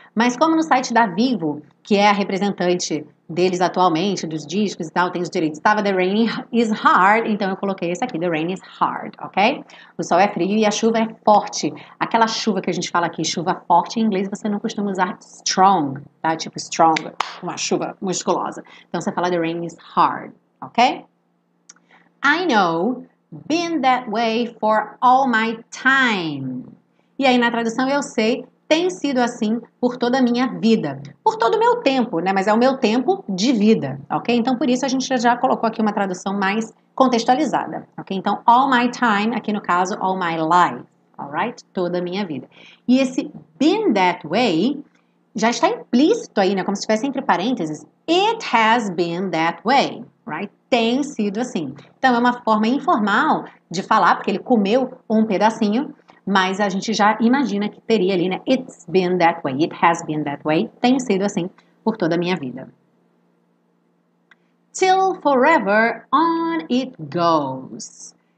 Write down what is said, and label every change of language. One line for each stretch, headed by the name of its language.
Portuguese: Mas como no site da Vivo, que é a representante deles atualmente, dos discos e tal, tem os direitos, estava The Rain is Hard, então eu coloquei esse aqui, The Rain is Hard, ok? O sol é frio e a chuva é forte. Aquela chuva que a gente fala aqui, chuva forte, em inglês você não costuma usar strong, tá? Tipo strong, uma chuva musculosa. Então você fala
English: The Rain is Hard,
Portuguese: ok?
English: I know, been that way for all my time.
Portuguese: E aí, na tradução, eu sei, tem sido assim por toda a minha vida. Por todo o meu tempo, né? Mas é o meu tempo de vida, ok? Então, por isso, a gente já colocou aqui uma tradução mais contextualizada, ok? Então, all my time, aqui no caso,
English: all my life,
Portuguese: alright? Toda a minha vida. E esse been that way já está implícito aí, né? Como se estivesse entre parênteses.
English: It has been that way, right?
Portuguese: Tem sido assim. Então, é uma forma informal de falar, porque ele comeu um pedacinho, mas a gente já imagina que teria ali, né?
English: It's been that way. It has been that way.
Portuguese: Tem sido assim por toda a minha vida.
English: Till forever on it goes.